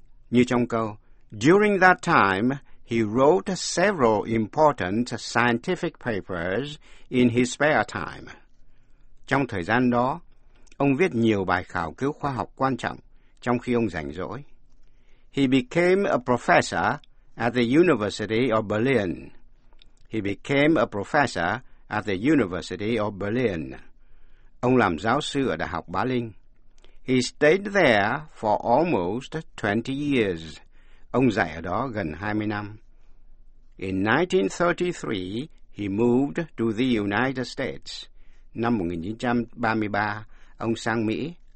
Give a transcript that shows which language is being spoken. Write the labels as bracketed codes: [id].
[vi] Như trong câu [en] During that time, he wrote several important scientific papers in his spare time. [vi] Trong thời gian đó, ông viết nhiều bài khảo cứu khoa học quan trọng trong khi ông rảnh rỗi. [en] He became a professor at the University of Berlin. He became a professor at the University of Berlin. [vi] Ông làm giáo sư ở Đại học Berlin. [en] He stayed there for almost 20 years. [vi] Ông dạy ở đó gần 20 năm. [en] In 1933, he moved to the United States. [vi] Năm 1933, ông sang Mỹ.